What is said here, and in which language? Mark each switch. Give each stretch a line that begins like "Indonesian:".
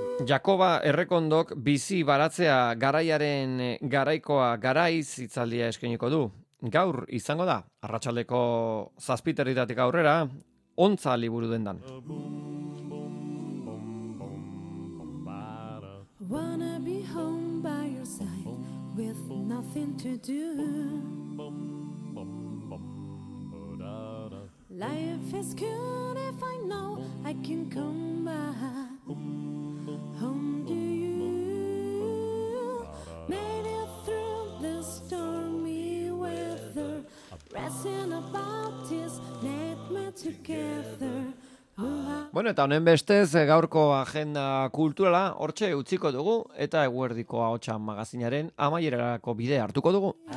Basque: Jakoba Errekondok bizi baratzea garaiaren garaikoa garaiz hitzaldia eskainiko du. Gaur izango da, arratsaldeko zazpiterritatik aurrera, ontza liburu dendan.
English: Wanna be home by your side with nothing to do. Life is good if I know I can come back home to you. Made it through the stormy weather, pressing about this nightmare together.
Basque: Bueno, eta honen bestez, gaurko agenda kulturala hortxe utziko dugu, eta eguerdiko ahotsa magazinaren amaierarako bide hartuko dugu.